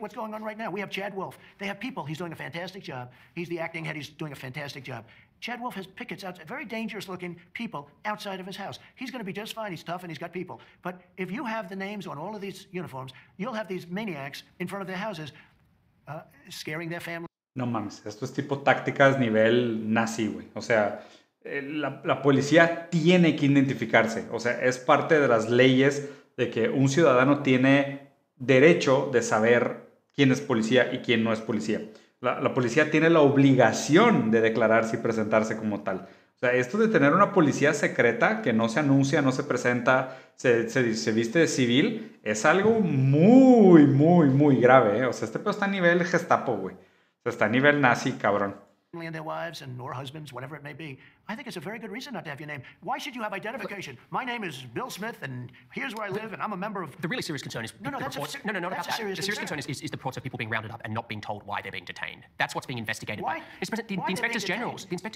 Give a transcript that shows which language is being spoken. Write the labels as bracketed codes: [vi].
[en] What's going on right now. We have Chad Wolf. They have people. He's doing a fantastic job. He's the acting head. He's doing a fantastic job. Chad Wolf has pickets out, very dangerous looking people outside of his house. He's going to be just fine. He's tough and he's got people. But if you have the names on all of these uniforms, you'll have these maniacs in front of their houses scaring their family. [es] No mames. Esto es tipo tácticas nivel nazi, güey. O sea, la policía tiene que identificarse. O sea, es parte de las leyes de que un ciudadano tiene derecho de saber quién es policía y quién no es policía. La policía tiene la obligación de declararse y presentarse como tal. O sea, esto de tener una policía secreta que no se anuncia, no se presenta, se viste de civil, es algo muy, muy, muy grave, ¿eh? O sea, este pedo está a nivel Gestapo, güey. O sea, está a nivel nazi, cabrón. [en] And their wives and or husbands, whatever it may be. I think it's a very good reason not to have your name. Why should you have identification? My name is Bill Smith, and here's where I live, and I'm a member of... The really serious concern is... The serious concern is the reports of people being rounded up and not being told why they're being detained. That's what's being investigated. Why? The inspectors generals.